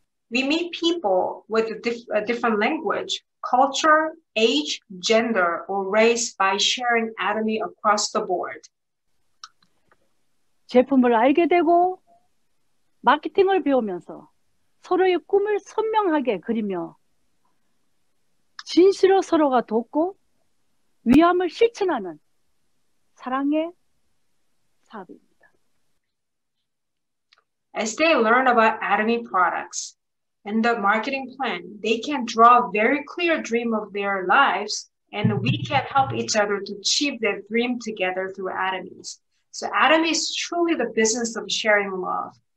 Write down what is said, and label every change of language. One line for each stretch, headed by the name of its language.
English: We meet people with a different language, culture, age, gender, or race by sharing ADME across the board.
Korean: 제품을 알게 되고 마케팅을 배우면서 서로의 꿈을 선명하게 그리며 진실로 서로가 돕고 위함을 실천하는 사랑의 사업입니다.
English: As they learn about ADME products and the marketing plan, they can draw a very clear dream of their lives, and we can help each other to achieve that dream together through ADME. So ADME is truly the business of sharing love.